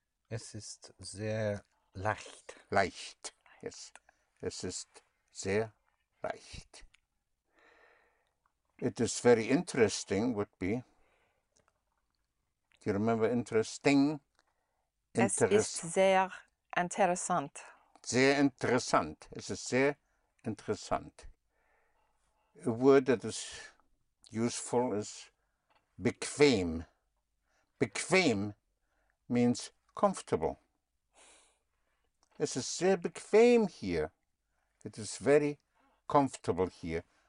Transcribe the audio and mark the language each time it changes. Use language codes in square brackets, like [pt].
[de] Es ist sehr leicht. Leicht, [en] yes. [de] Es ist sehr leicht. [en] It is very interesting would be? Do you remember interesting? [de] Es ist sehr interessant. Sehr interessant. Es ist sehr interessant. [en] A word that is useful is bequem. Bequem means comfortable. [de] Es ist sehr bequem hier. [en] It is very comfortable here.